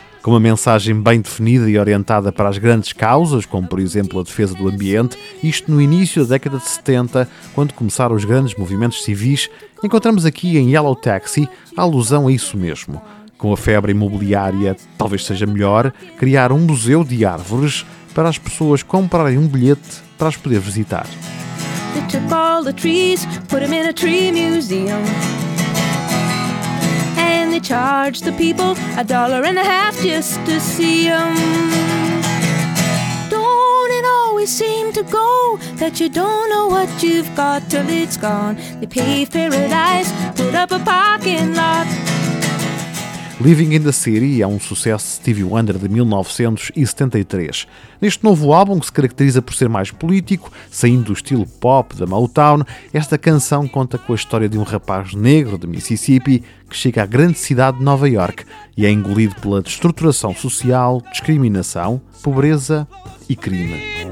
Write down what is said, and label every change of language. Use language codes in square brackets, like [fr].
[pt] Com uma mensagem bem definida e orientada para as grandes causas, como por exemplo a defesa do ambiente, isto no início da década de 70, quando começaram os grandes movimentos civis, encontramos aqui em Yellow Taxi a alusão a isso mesmo. Com a febre imobiliária, talvez seja melhor criar um museu de árvores para as pessoas comprarem um bilhete para as poder visitar. [en] They took all the trees, put them in a tree museum. And they charged the people $1.50 just to see them. Don't it always seem to go that you don't know what you've got till it's gone? They paved paradise, put up a parking lot. [pt] Living in the City é um sucesso de Stevie Wonder de 1973. Neste novo álbum, que se caracteriza por ser mais político, saindo do estilo pop da Motown, esta canção conta com a história de um rapaz negro de Mississippi que chega à grande cidade de Nova York e é engolido pela destruturação social, discriminação, pobreza e crime.